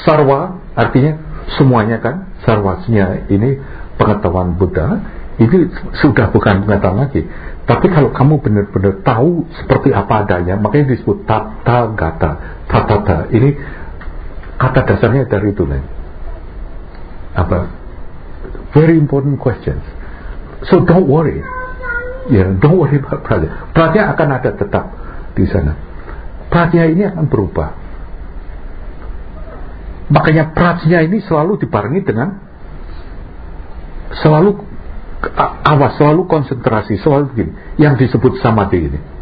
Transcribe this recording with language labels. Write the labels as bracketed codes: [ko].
[id] Sarwa artinya semuanya kan, sarwasnya ini pengetahuan Buddha, ini sudah bukan pengetahuan lagi. Tapi kalau kamu benar-benar tahu seperti apa adanya, makanya disebut tathagata. Tathagata ini kata dasarnya dari itu nih. [en] apa, very important questions. So don't worry, yeah, don't worry about pratyah. [id] Pratyah akan ada tetap di sana. Pratyah ini akan berubah. Makanya pratyah ini selalu dibarengi dengan selalu awas, selalu konsentrasi, selalu begini, yang disebut samadhi ini.